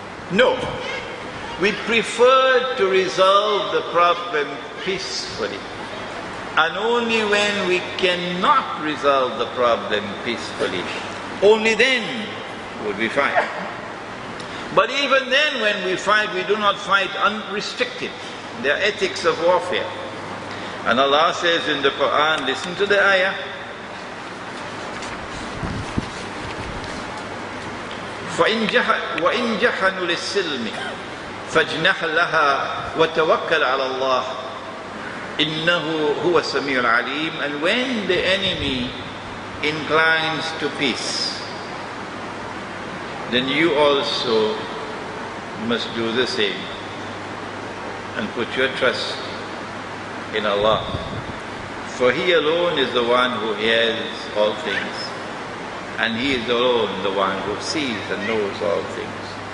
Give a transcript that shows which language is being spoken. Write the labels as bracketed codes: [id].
[en] No, we prefer to resolve the problem peacefully. And only when we cannot resolve the problem peacefully, only then would we fight. But even then, when we fight, we do not fight unrestricted. There are ethics of warfare. And Allah says in the Quran, listen to the ayah, [ar] وَإِنْ جَحَنُوا لِلسِّلْمِ فَاجْنَحْ لَهَا وَتَوَكَّلْ عَلَى اللَّهِ إِنَّهُ هُوَ السَّمِيعُ الْعَلِيمُ. [en] And when the enemy inclines to peace, then you also must do the same and put your trust in Allah. For He alone is the one who hears all things, and He is alone the one who sees and knows all things.